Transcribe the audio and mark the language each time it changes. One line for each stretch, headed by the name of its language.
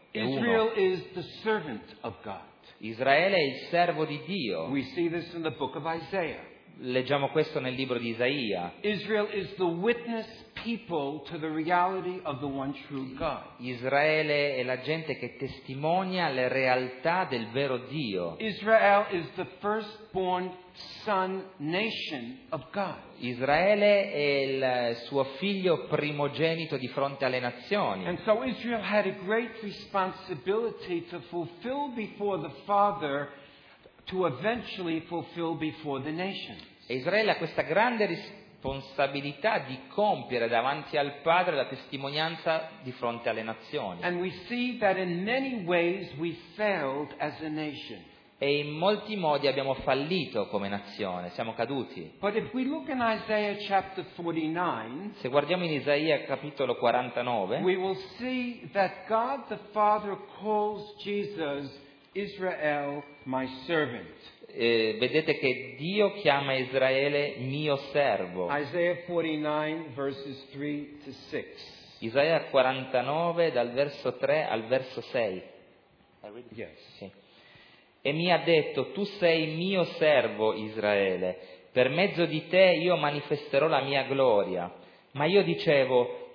English: Israel is the servant of God.
Italian: Israele è il servo di Dio.
English: We see this in the book of Isaiah.
Italian: Leggiamo questo nel libro di Isaia.
English: Israel is the witness people to the reality of the one true God.
Italian: Israele è la gente che testimonia le realtà del vero Dio.
English: Israel is the firstborn son nation of God.
Italian: Israele è il suo figlio primogenito di fronte alle nazioni.
English: And so Israel had a great responsibility to fulfill before the Father, to eventually fulfill before the nations.
Italian: Israele ha questa grande responsabilità di compiere davanti al Padre la testimonianza di fronte alle nazioni.
English: And we see that in many ways we failed as a nation.
Italian: E in molti modi abbiamo fallito come nazione, siamo caduti.
English: But if we look in Isaiah chapter 49,
Italian: se guardiamo in Isaia capitolo 49,
English: we will see that God the Father calls Jesus Israel, my servant.
Italian: Vedete che Dio chiama Israele mio servo.
English: Isaiah 49 verses 3 to 6.
Italian: Isaia 49 dal verso 3 al verso 6.
English: Yes.
Italian: Sì. E mi ha detto: tu sei mio servo Israele, per mezzo di te io manifesterò la mia gloria. Ma io dicevo: